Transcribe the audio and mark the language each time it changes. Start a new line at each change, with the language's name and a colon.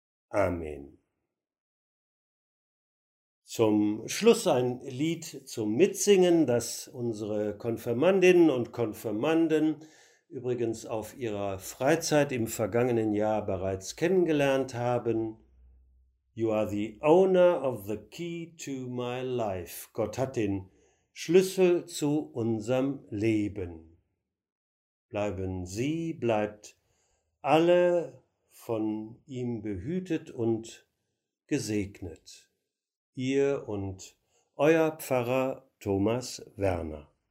German: Amen. Zum Schluss ein Lied zum Mitsingen, das unsere Konfirmandinnen und Konfirmanden übrigens auf ihrer Freizeit im vergangenen Jahr bereits kennengelernt haben.
English: You are the owner of the key to my life.
German: Gott hat den Schlüssel zu unserem Leben. Bleiben Sie, bleibt alle von ihm behütet und gesegnet. Ihr und euer Pfarrer Thomas Werner.